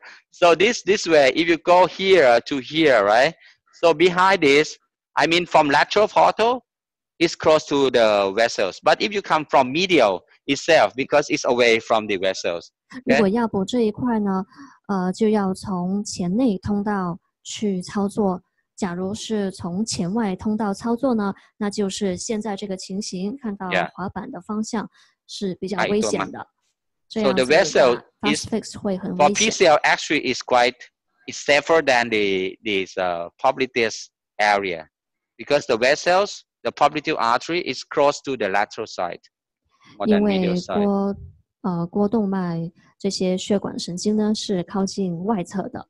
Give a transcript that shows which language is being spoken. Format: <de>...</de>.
<en>So this way, if you go here to here, right? So behind this, I mean from lateral portal, it's close to the vessels. But if you come from medial itself, because it's away from the vessels. Okay?</en> <zh>如果要补这一块呢, 就要从前内通道去操作。假如是从前外通道操作呢, 那就是现在这个情形, 看到滑板的方向是比较危险的。</zh> <en>Yeah. So the vessel is for PCL actually is quite is safer than the this popliteus area because the vessels, the popliteal artery is close to the lateral side. More than medial side.</en>